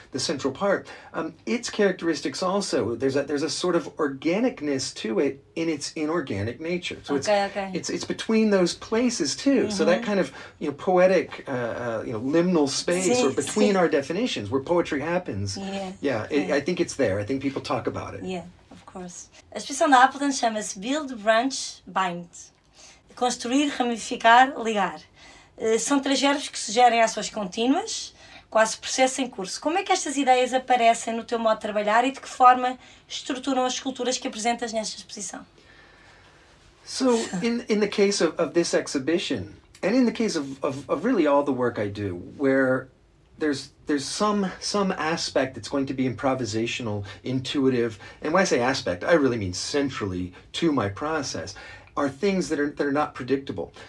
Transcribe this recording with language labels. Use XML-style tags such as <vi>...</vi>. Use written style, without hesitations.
<en>the central part, its characteristics also, there's a sort of organicness to it in its inorganic nature. So okay, it's between those places too. Mm-hmm. So that kind of, you know, poetic you know, liminal space or between our definitions where poetry happens. Yeah. Yeah, I think it's there. I think people talk about it. Yeah.</en> <pt>A expressão da Appleton chama-se</pt> <en>Build, Branch, Bind.</en> <pt>Construir, ramificar, ligar. São três verbos que sugerem ações contínuas, quase processo em curso. Como é que estas ideias aparecem no teu modo de trabalhar e de que forma estruturam as esculturas que apresentas nesta exposição?</pt> <en>So, in the case of this exhibition, and in the case of really all the work I do, where there's some aspect that's going to be improvisational, intuitive, and when I say aspect, I really mean centrally to my process, are things that are not predictable.</en>